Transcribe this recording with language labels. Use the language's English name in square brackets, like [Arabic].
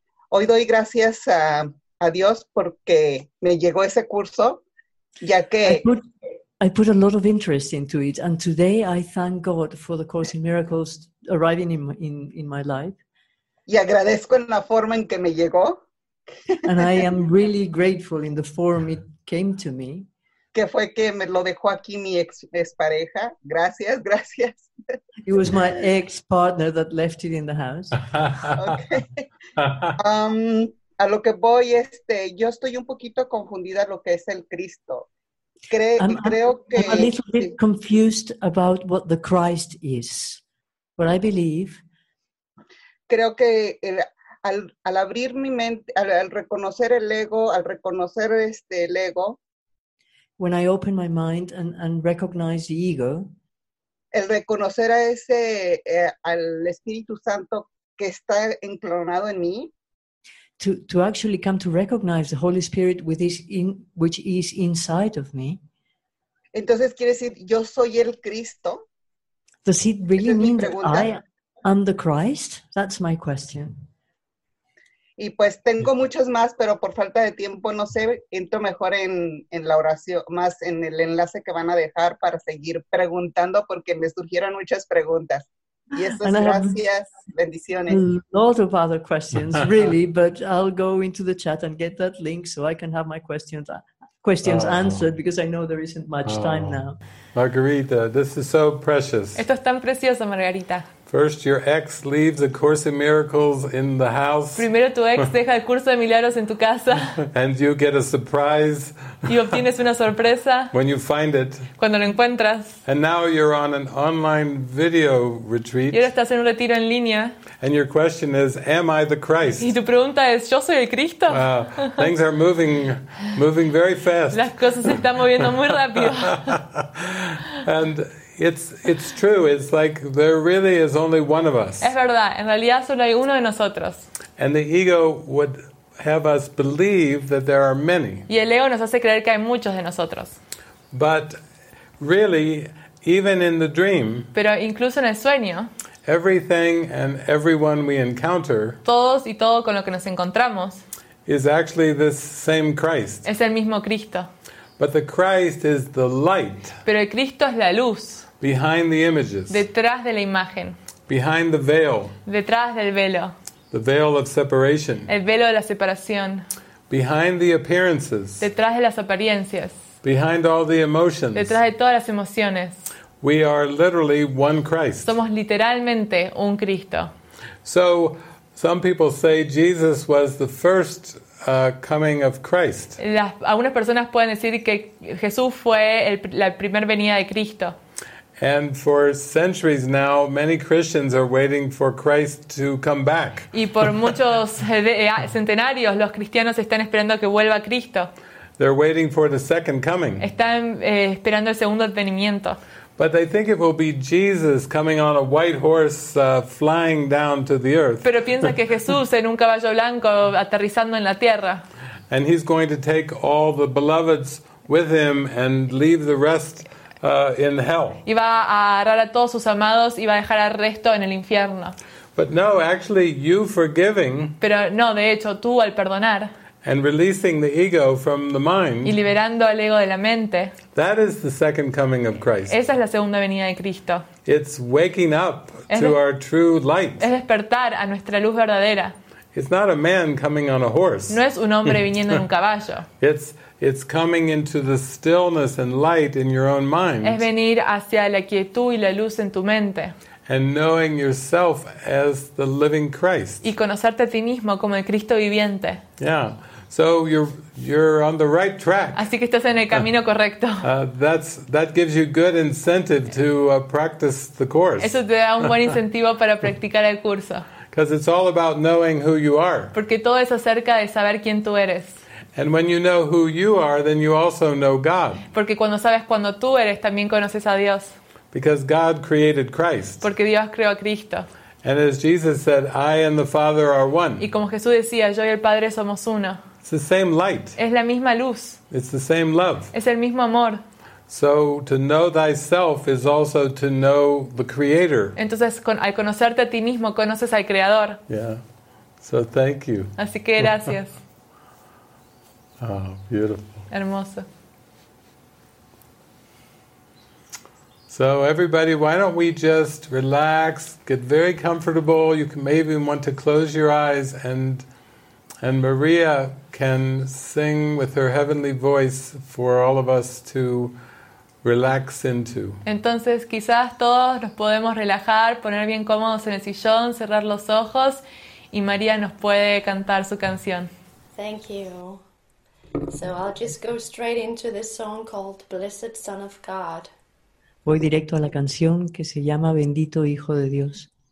[Spanish] Hoy doy gracias a Dios porque me llegó ese curso, ya que... [English] I put a lot of interest into it, and today I thank God for the Course in Miracles arriving in my life. [Spanish] Y agradezco en la forma en que me llegó. [English] And I am really grateful in the form it came to me. [Spanish] Que fue que me lo dejó aquí mi ex pareja. Gracias, gracias. [English] It was my ex partner that left it in the house. Okay. [Spanish] A lo que voy, yo estoy un poquito confundida lo que es el Cristo. [English] I'm a little bit confused about what the Christ is, but I believe. [Spanish] Creo que al abrir mi mente, al reconocer el ego, al reconocer el ego. [English] When I open my mind and recognize the ego. [Spanish] El reconocer a ese al Espíritu Santo que está enclonado en mí. [English] To actually come to recognize the Holy Spirit which is inside of me. [Spanish] Entonces quiere decir yo soy el Cristo. [English] Does it really mean that I am the Christ? That's my question. [Spanish] Y pues tengo muchos más, pero por falta de tiempo no sé, entro mejor en la oración, más en el enlace que van a dejar para seguir preguntando porque me surgieron muchas preguntas. [English] Yes, [Spanish] gracias. Bendiciones. [English] A lot of other questions, really, but I'll go into the chat and get that link so I can have my questions answered because I know there isn't much time now. Margarita, this is so precious. [Spanish] Esto es tan precioso, Margarita. [English] First, your ex leaves a Course in Miracles in the house. [Spanish] Primero, tu ex deja el curso de milagros en tu casa. [English] And you get a surprise. [Spanish] Y obtienes una sorpresa. [English] When you find it. [Spanish] Cuando lo encuentras. [English] And now you're on an online video retreat. [Spanish] Y ahora estás en un retiro en línea. [English] And your question is, am I the Christ? [Spanish] Y tu pregunta es, ¿yo soy el Cristo? [English] Wow, things are moving very fast. [Spanish] Las cosas se están moviendo muy rápido. [English] And it's true. It's like there really is only one of us. [Spanish] Es verdad. En realidad solo hay uno de nosotros. [English] And the ego would have us believe that there are many. [Spanish] Y el ego nos hace creer que hay muchos de nosotros. [English] But really, even in the dream, [Spanish] pero incluso en el sueño, [English] everything and everyone we encounter, [Spanish] todos y todo con lo que nos encontramos, [English] is actually the same Christ. [Spanish] Es el mismo Cristo. [English] But the Christ is the light. [Spanish] Pero el Cristo es la luz. [English] Behind the images. [Spanish] Detrás de la imagen. [English] Behind the veil. [Spanish] Detrás del velo. [English] The veil of separation. [Spanish] El velo de la separación. [English] Behind the appearances. [Spanish] Detrás de las apariencias. [English] Behind all the emotions. [Spanish] Detrás de todas las emociones. [English] We are literally one Christ. [Spanish] Somos literalmente un Cristo. [English] So some people say Jesus was the first coming of Christ. [Spanish] Algunas personas pueden decir que Jesús fue la primera venida de Cristo. [English] And for centuries now, many Christians are waiting for Christ to come back. [Spanish] Y por muchos centenarios, los cristianos están esperando que vuelva Cristo. [English] They're waiting for the second coming. [Spanish] Están esperando el segundo advenimiento. [English] But they think it will be Jesus coming on a white horse flying down to the earth. [Spanish] Pero piensa que Jesús en un caballo blanco aterrizando en la tierra. [English] And he's going to take all the beloveds with him and leave the rest in hell. [Spanish] Y va a agarrar a todos sus amados y va a dejar al resto en el infierno. [English] But no, actually you forgiving. [Spanish] Pero no, de hecho tú al perdonar. [English] And releasing the ego from the mind. [Spanish] Y liberando al ego de la mente. [English] That is the second coming of Christ. [Spanish] Esa es la segunda venida de Cristo. [English] It's waking up to our true light. [Spanish] Es despertar a nuestra luz verdadera. [English] It's not a man coming on a horse. [Spanish] No es un hombre viniendo en un caballo. [English] It's coming into the stillness and light in your own mind. [Spanish] Es venir hacia la quietud y la luz en tu mente. [English] And knowing yourself as the living Christ. [Spanish] Y conocerte a ti mismo como el Cristo viviente. [English] Yeah. So you're on the right track. [Spanish] Así que estás en el camino correcto. [English] That gives you good incentive to practice the course. [Spanish] Eso te da un buen incentivo para practicar el curso. [English] Because it's all about knowing who you are. [Spanish] Porque todo es acerca de saber quién tú eres. [English] And when you know who you are, then you also know God. [Spanish] Porque cuando sabes cuándo tú eres, también conoces a Dios. [English] Because God created Christ. [Spanish] Porque Dios creó a Cristo. [English] And as Jesus said, I and the Father are one. [Spanish] Y como Jesús decía, yo y el Padre somos uno. [English] It's the same light. [Spanish] Es la misma luz. [English] It's the same love. [Spanish] Es el mismo amor. [English] So to know thyself is also to know the Creator. [Spanish] Entonces, al conocerte a ti mismo, conoces al Creador. [English] Yeah. So thank you. [Spanish] Así que gracias. [English] Oh, beautiful. [Spanish] Hermoso. [English] So everybody, why don't we just relax, get very comfortable. You can maybe want to close your eyes and Maria can sing with her heavenly voice for all of us to relax into. [Spanish] Entonces, quizás todos nos podemos relajar, poner bien cómodos en el sillón, cerrar los ojos y María nos puede cantar su canción. [English] Thank you. So I'll just go straight into this song called Blessed Son of God. [Spanish] Voy directo a la canción que se llama Bendito Hijo de Dios.